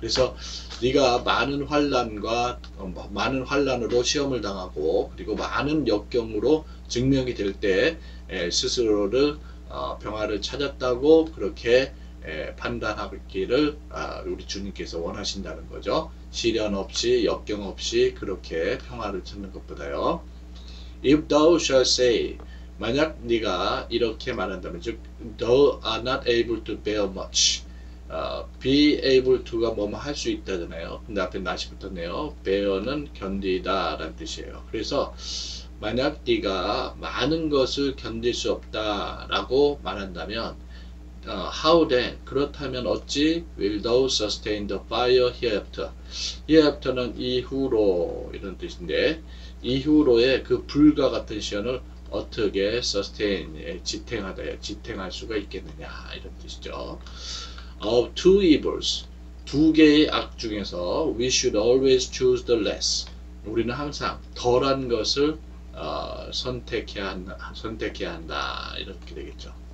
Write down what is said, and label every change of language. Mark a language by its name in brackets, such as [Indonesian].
[Korean] 그래서 네가 많은 환란과 많은 환란으로 시험을 당하고 그리고 많은 역경으로 증명이 될 때 스스로를 평화를 찾았다고 그렇게 판단하기를 우리 주님께서 원하신다는 거죠. 시련 없이 역경 없이 그렇게 평화를 찾는 것보다요. [English] If thou shalt say, [Korean] 만약 네가 이렇게 말한다면, [English] 즉, thou art not able to bear much. [Korean] Be able to가 뭐뭐 할 수 있다잖아요. 근데 앞에 not이 붙었네요. bear는 견디다 라는 뜻이에요. 그래서 만약 네가 많은 것을 견딜 수 없다 라고 말한다면, [English] how then, [Korean] 그렇다면 어찌 [English] will thou sustain the fire hereafter. [Korean] hereafter는 이후로 이런 뜻인데, 이후로의 그 불과 같은 시연을 어떻게 sustain, 지탱하다, 지탱할 수가 있겠느냐, 이런 뜻이죠. [English] Of two evils, [Korean] 두 개의 악 중에서 [English] we should always choose the less. [Korean] 우리는 항상 덜한 것을 선택해야 한다, 이렇게 되겠죠.